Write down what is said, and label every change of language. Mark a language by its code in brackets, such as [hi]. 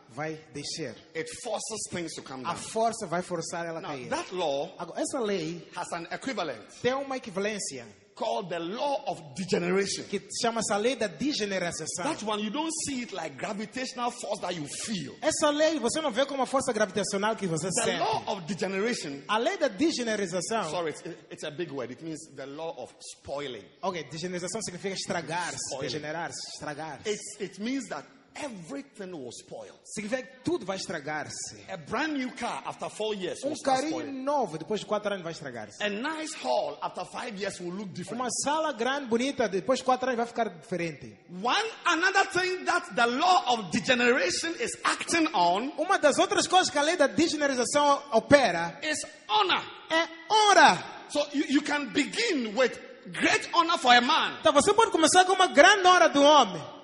[pt] Vai descer. [en] It forces things to come down. [pt] A força vai forçar ela [en] now, [pt] a cair. [en] That law. [pt] Agora, essa lei [en] has an equivalent. [pt] Tem uma equivalência. [en] Called the law of degeneration. [pt] Que chama-se a lei da degeneração. [en] That one you don't see it like gravitational force that you feel. [pt] Essa lei você não vê como a força gravitacional que você sente. [en] The law of degeneration. [pt] A lei da degeneração. [en] Sorry, it's a big word. It means the law of spoiling. [pt] Okay, degeneração significa estragar-se, degenerar-se, estragar-se. [en] It means that everything will spoil. [pt] Significa que tudo vai estragar-se. [en] A brand new car after 4 years will start spoiling. [pt] Um carrinho novo depois de 4 anos vai estragar-se. [en] A nice hall after 5 years will look different. [pt] Uma sala grande bonita depois de 4 anos vai ficar diferente. [en] One another thing that the law of degeneration is acting on. [pt] Uma das outras coisas que a lei da degeneração opera [en] is honor. [pt] É honra. [en] So you can begin with great honor for a man. [pt] Então você pode começar com uma grande honra do homem.